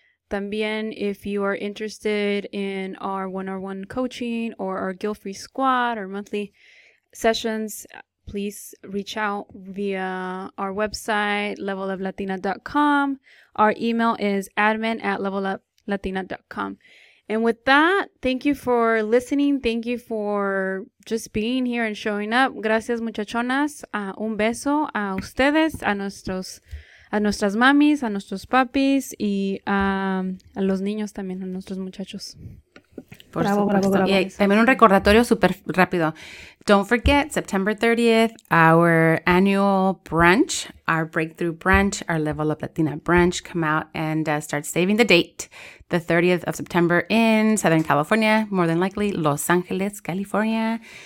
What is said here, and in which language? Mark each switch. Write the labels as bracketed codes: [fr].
[en] También, if you are interested in our one-on-one coaching or our guilt-free squad or monthly sessions, please reach out via our website, leveloflatina.com. Our email is admin@leveloflatina.com. And with that, thank you for listening. Thank you for just being here and showing up. [es] Gracias, muchachonas. Un beso a ustedes, a nuestras mamis, a nuestros papis, y a los niños también, a nuestros muchachos. Bravo. También un recordatorio súper rápido. [en] Don't forget, September 30th, our annual brunch, our breakthrough brunch, our Level Up Latina brunch. Come out and start saving the date. The 30th of September in Southern California, more than likely Los Angeles, California.